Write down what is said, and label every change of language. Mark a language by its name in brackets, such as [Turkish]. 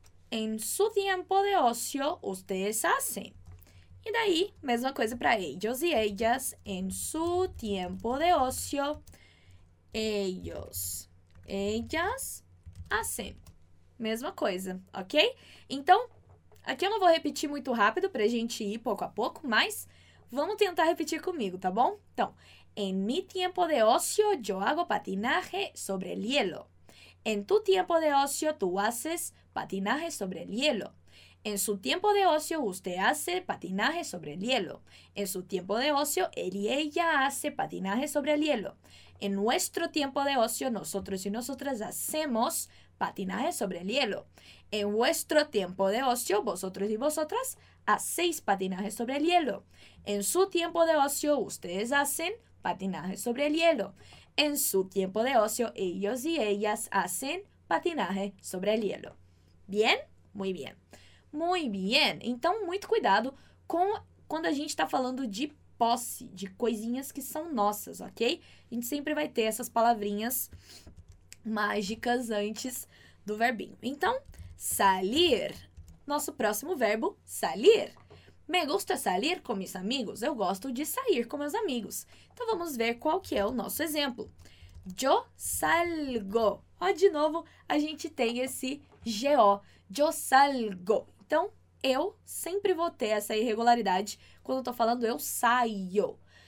[Spanish] Em su tiempo de ocio, ustedes hacen. [Portuguese] E daí, mesma coisa para [Spanish] ellos e ellas, en su tiempo de ocio, ellos, ellas, hacen. [Portuguese] Mesma coisa, ok? Então, aqui eu não vou repetir muito rápido para a gente ir pouco a pouco, mas vamos tentar repetir comigo, tá bom? [Spanish] Então, en mi tiempo de ocio, yo hago patinaje sobre el hielo. En tu tiempo de ocio, tú haces patinaje sobre el hielo. En su tiempo de ocio, usted hace patinaje sobre el hielo. En su tiempo de ocio, él y ella hace patinaje sobre el hielo. En nuestro tiempo de ocio, nosotros y nosotras hacemos patinaje sobre el hielo. En vuestro tiempo de ocio, vosotros y vosotras hacéis patinaje sobre el hielo. En su tiempo de ocio, ustedes hacen patinaje sobre el hielo. En su tiempo de ocio, ellos y ellas hacen patinaje sobre el hielo. ¿Bien? Muy bien. [Portuguese] Muito bem. Então, muito cuidado com quando a gente está falando de posse, de coisinhas que são nossas, ok? A gente sempre vai ter essas palavrinhas mágicas antes do verbinho. Então, salir. Nosso próximo verbo, salir. [Spanish] Me gusta salir con mis amigos. [Portuguese] Eu gosto de sair com meus amigos. Então, vamos ver qual que é o nosso exemplo. [Spanish] Yo salgo. [Portuguese] Ó, de novo, a gente tem esse G-O. [Spanish] Yo salgo. [Portuguese] Então, eu sempre vou ter essa irregularidade quando eu tô falando eu saio.